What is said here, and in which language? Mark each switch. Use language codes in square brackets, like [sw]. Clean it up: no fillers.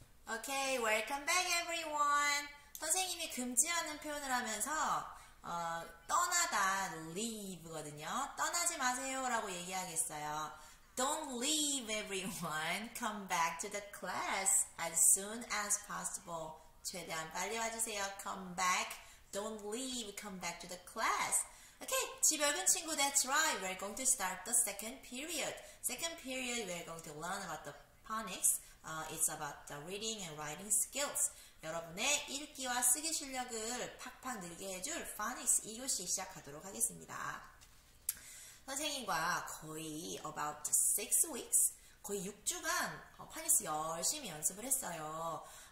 [en] Okay, welcome back everyone. [ko] 선생님이 금지하는 표현을 하면서 떠나다, leave거든요. 떠나지 마세요 라고 얘기하겠어요. [en] Don't leave everyone. Come back to the class as soon as possible. [ko] 최대한 빨리 와주세요. [en] Come back. Don't leave. Come back to the class. Okay, [ko] 집에 온 친구, [en] that's right. We're going to start the second period. Second period, we're going to learn about the phonics. It's about the reading and writing skills. [ko] 여러분의 읽기와 쓰기 실력을 팍팍 늘게 해줄 phonics 2교시 시작하도록 하겠습니다. 선생님과 거의 [en] about 6 weeks, [ko] 거의 6주간 phonics 열심히 연습을 했어요.